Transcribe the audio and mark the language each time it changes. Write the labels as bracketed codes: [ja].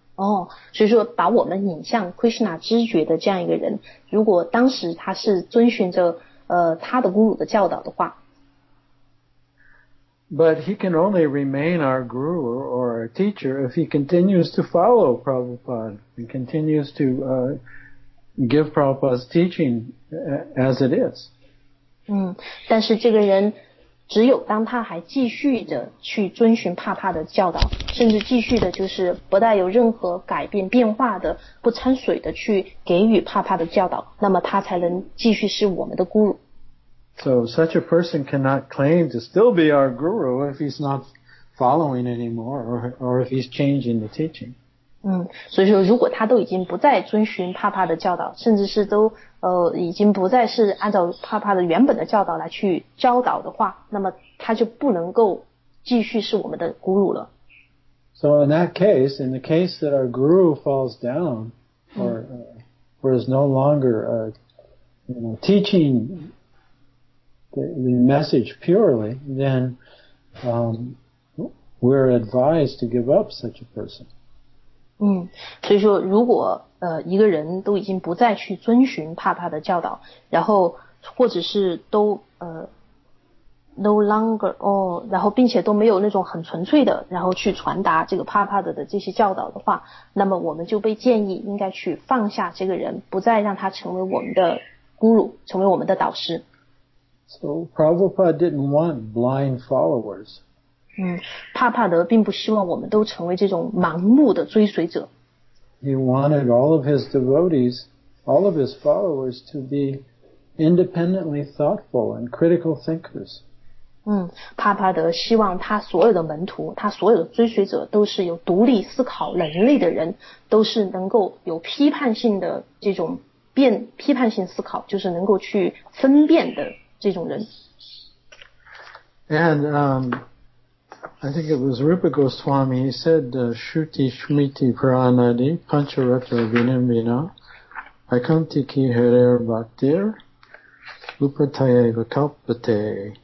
[zh] Oh, 所以说把我们引向 Krishna 知觉的这样一个人，如果当时他是遵循着他的 guru 的教导的话。 [en] But he can only remain our guru or our teacher if he continues to follow Prabhupada and continues to give Prabhupada's teaching as it is. [zh] 但是这个人只有当他还继续的去遵循帕帕的教导，甚至继续的就是不带有任何改变变化的，不掺水的去给予帕帕的教导，那么他才能继续是我们的 guru。 [en] So such a person cannot claim to still be our guru if he's not following anymore or if he's changing the teaching. [zh] 所以说如果他都已经不再遵循帕帕的教导，甚至是都已经不再是按照帕帕的原本的教导来去教导的话，那么他就不能够继续是我们的 guru 了。 [en] So in that case, in the case that our guru falls down or is no longer teaching the message purely, then we're advised to give up such a person. [zh] 所以说如果一个人都已经不再去遵循帕帕的教导，然后或者是都 [en] no longer [zh] 然后并且都没有那种很纯粹的然后去传达这个帕帕的这些教导的话，那么我们就被建议应该去放下这个人，不再让他成为我们的 guru, 成为我们的导师。 [en] So Prabhupada didn't want blind followers. [zh] 帕帕德并不希望我们都成为这种盲目的追随者。 [en] He wanted all of his devotees, all of his followers to be independently thoughtful and critical thinkers. [zh] 帕帕德希望他所有的门徒，他所有的追随者都是有独立思考能力的人，都是能够有批判性的这种批判性思考，就是能够去分辨的。 [en] And I think it was Rupa Goswami, he said, [sa] Shruti Shmiti Pranadi Pancharatra Vinambina Akanti Ki Harer Bhaktir Upataya Vakalpate.